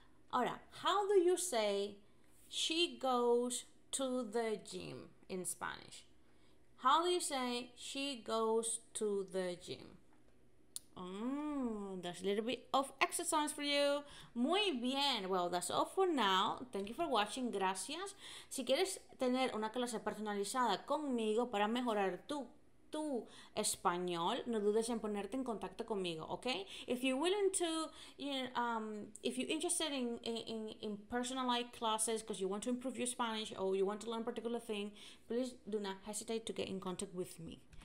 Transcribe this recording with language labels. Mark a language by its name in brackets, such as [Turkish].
[Spanish] Ahora, [English] how do you say she goes to the gym in Spanish? How do you say she goes to the gym? Oh, that's a little bit of exercise for you. [Spanish] Muy bien. [English] Well, that's all for now. Thank you for watching. [Spanish] Gracias. Si quieres tener una clase personalizada conmigo para mejorar tu español, no dudes en ponerte en contacto conmigo, okay? [English] If you're willing to, if you're interested in personalized classes because you want to improve your Spanish or you want to learn a particular thing, please do not hesitate to get in contact with me.